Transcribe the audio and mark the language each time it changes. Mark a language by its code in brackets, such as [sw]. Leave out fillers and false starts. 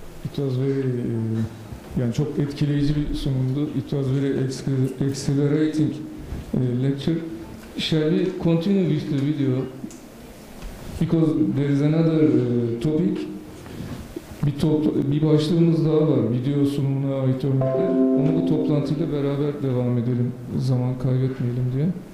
[en] It was very, [tr] yani çok etkileyici bir sunumdu. [en] It was very exhilarating lecture. Shall we continue with the video? Because there is another topic. [tr] Bir başlığımız daha var, video sunumuna ait örnekler. Onu da toplantıyla beraber devam edelim, zaman kaybetmeyelim diye.